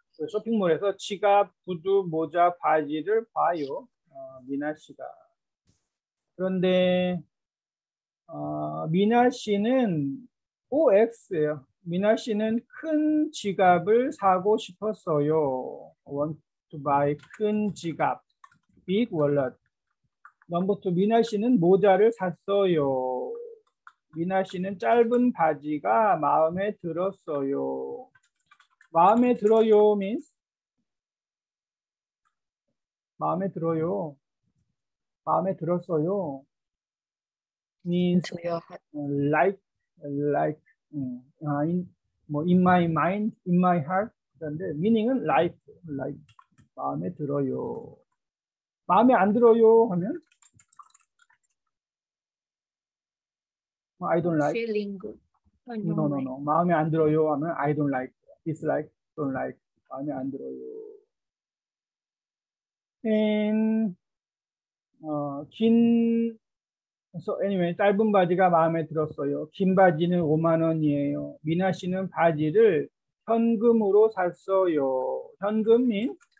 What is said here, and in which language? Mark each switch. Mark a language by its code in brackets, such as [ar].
[ko] 쇼핑몰에서 지갑, 구두, 모자, 바지를 봐요. 미나 씨가. 그런데 미나 씨는 OX예요. 미나 씨는 큰 지갑을 사고 싶었어요. [en] Want to buy [ko] 큰 지갑. [en] Big wallet. [ko] Number two, 미나 씨는 모자를 샀어요. 미나 씨는 짧은 바지가 마음에 들었어요. 마음에 들어요, means? 마음에 들어요. 마음에 들었어요. [en] means like in my mind, in my heart. [ko] 그런데 meaning은 like 마음에 들어요. 마음에 안 들어요 하면 [en] I don't like. Feeling good. No. [ko] 마음에 안 들어요 하면 [en] I don't like, dislike, don't like. [ko] 마음에 안 들어요. And 긴 [en] So anyway, [ko] 짧은 바지가 마음에 들었어요. 긴 바지는 5만 원이에요. 미나 씨는 바지를 현금으로 샀어요. 현금이?